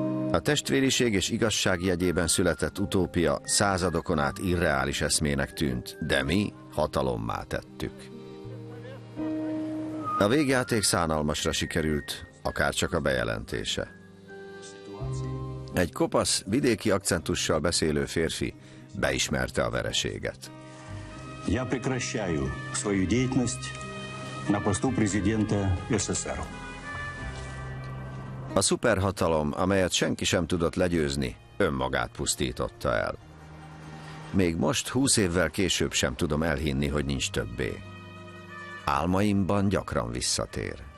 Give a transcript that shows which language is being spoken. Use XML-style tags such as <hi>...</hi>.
<hu>A testvériség és igazság jegyében született utópia századokon át irreális eszmének tűnt, de mi hatalommá tettük. A végjáték szánalmasra sikerült, akárcsak a bejelentése. Egy kopasz, vidéki akcentussal beszélő férfi beismerte a vereséget.</hu> <ru>Я прекращаю свою деятельность на посту президента СССР.</ru> <hu>A szuperhatalom, amelyet senki sem tudott legyőzni, önmagát pusztította el. Még most, 20 évvel később sem tudom elhinni, hogy nincs többé. Álmaimban gyakran visszatér.</hu>